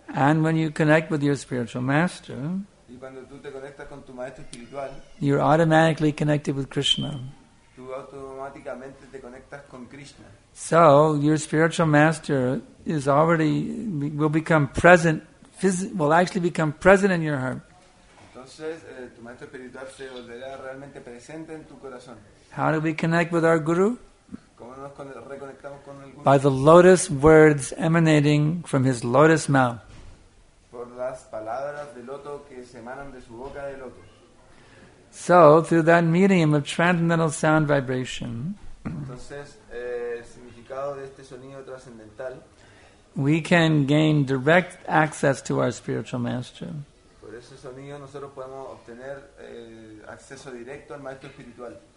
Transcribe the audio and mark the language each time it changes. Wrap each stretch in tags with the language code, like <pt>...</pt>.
<en>And when you connect with your spiritual master,</en> <es>y cuando tú te conectas con tu maestro espiritual,</es> <en>you're automatically connected with Krishna.</en> <es>Tú automáticamente te conectas con Krishna.</es> <en>So your spiritual master is already will become present, will actually become present in your heart.</en> <es>Entonces, tu maestro espiritual se volverá realmente presente en tu corazón.</es> <en>How do we connect with our guru?</en> <es>¿Cómo nos reconectamos con el guru?</es> <en>By the lotus words emanating from his lotus mouth.</en> <es>Por las palabras de loto que se emanan de su boca de loto.</es> <en>So, through that medium of transcendental sound vibration,</en> <es>entonces, el significado de este sonido transcendental,</es> <en>we can gain direct access to our spiritual master.</en> <es>Por ese sonido nosotros podemos obtener acceso directo al maestro espiritual.</es>